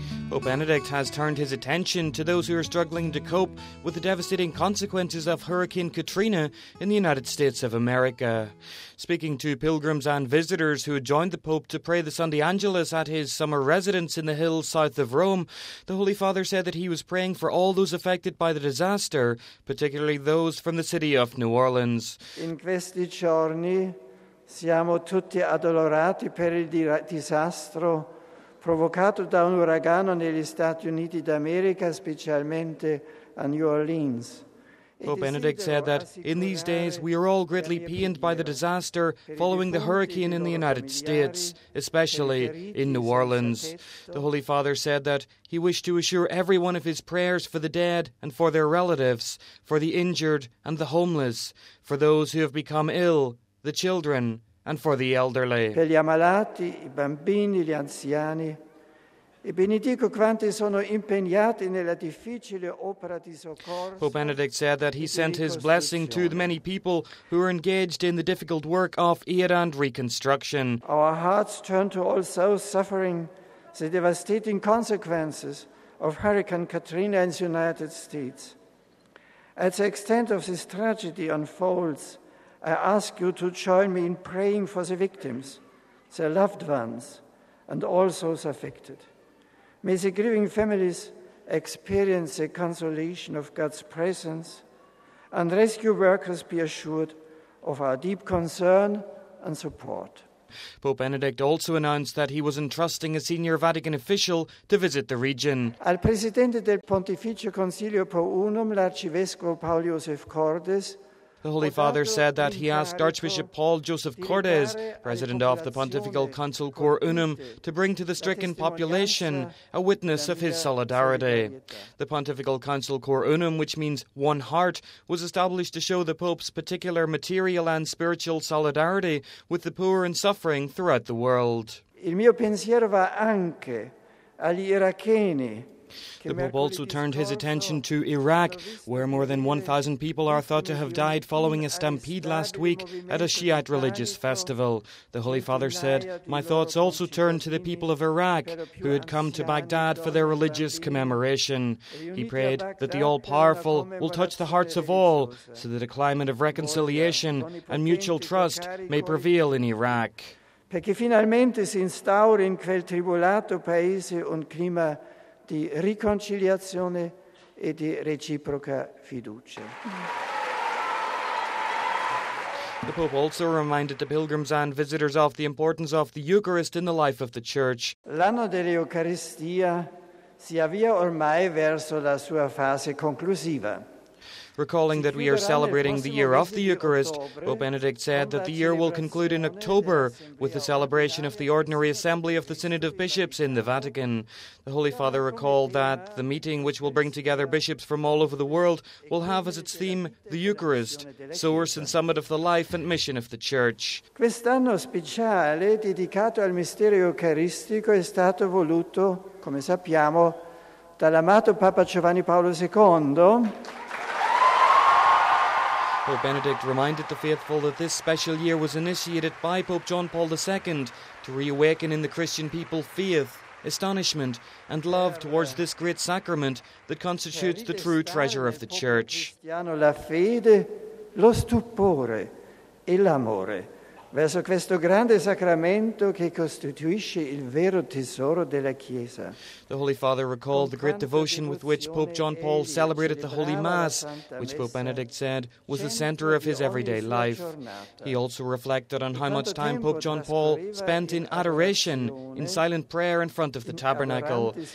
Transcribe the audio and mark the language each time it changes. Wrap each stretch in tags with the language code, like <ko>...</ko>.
<en>Pope Benedict has turned his attention to those who are struggling to cope with the devastating consequences of Hurricane Katrina in the United States of America. Speaking to pilgrims and visitors who had joined the Pope to pray the Sunday Angelus at his summer residence in the hills south of Rome, the Holy Father said that he was praying for all those affected by the disaster, particularly those from the city of New Orleans.</en> <it>In questi giorni siamo tutti addolorati per il disastro provocato da un uragano negli Stati Uniti d'America, specialmente a New Orleans.</it> <en>Pope Benedict said that in these days we are all greatly pained by the disaster following the hurricane in the United States, especially in New Orleans. The Holy Father said that he wished to assure everyone of his prayers for the dead and for their relatives, for the injured and the homeless, for those who have become ill, the children, and for the elderly.</en> <it>Per gli ammalati, i bambini, gli anziani. E benedico quanti sono impegnati nella difficile opera di soccorso.</it> <en>Pope Benedict said that he sent his blessing to the many people who are engaged in the difficult work of aid and reconstruction. Our hearts turn to all those suffering the devastating consequences of Hurricane Katrina in the United States. As the extent of this tragedy unfolds, I ask you to join me in praying for the victims, their loved ones, and all those affected. May the grieving families experience the consolation of God's presence, and rescue workers be assured of our deep concern and support. Pope Benedict also announced that he was entrusting a senior Vatican official to visit the region.</en> <it>Al presidente del Pontificio Consiglio Pro Unum, l'Arcivescovo Paolo Josef Cordes,</it> <en>the Holy Father said that he asked Archbishop Paul Joseph Cordes, president of the Pontifical Council Cor Unum, to bring to the stricken population a witness of his solidarity. The Pontifical Council Cor Unum, which means one heart, was established to show the Pope's particular material and spiritual solidarity with the poor and suffering throughout the world.</en> <it>Il mio pensiero va anche agli iracheni.</it> <en>The Pope also turned his attention to Iraq, where more than 1,000 people are thought to have died following a stampede last week at a Shiite religious festival. The Holy Father said, "My thoughts also turn to the people of Iraq, who had come to Baghdad for their religious commemoration." He prayed that the All-Powerful will touch the hearts of all, so that a climate of reconciliation and mutual trust may prevail in Iraq.</en> <it>Perché finalmente si instauri in quel tribolato paese un clima di riconciliazione e di reciproca fiducia.</it> <en>The Pope also reminded the pilgrims and visitors of the importance of the Eucharist in the life of the Church.</en> <it>L'anno dell'Eucaristia si avvia ormai verso la sua fase conclusiva.</it> <en>Recalling that we are celebrating the year of the Eucharist, Pope Benedict said that the year will conclude in October with the celebration of the Ordinary Assembly of the Synod of Bishops in the Vatican. The Holy Father recalled that the meeting, which will bring together bishops from all over the world, will have as its theme the Eucharist, source and summit of the life and mission of the Church.</en> <it>Quest'anno speciale, dedicato al mistero eucaristico, è stato voluto, come sappiamo, dall'amato Papa Giovanni Paolo II.</it> <en>Pope Benedict reminded the faithful that this special year was initiated by Pope John Paul II to reawaken in the Christian people faith, astonishment, and love towards this great sacrament that constitutes the true treasure of the Church.</en> <it>La fede, lo stupore e l'amore verso questo grande sacramento che costituisce il vero tesoro della Chiesa.</it> <en>The Holy Father recalled the great devotion with which Pope John Paul celebrated the Holy Mass, which Pope Benedict said was the center of his everyday life. He also reflected on how much time Pope John Paul spent in adoration, in silent prayer in front of the tabernacle.</en>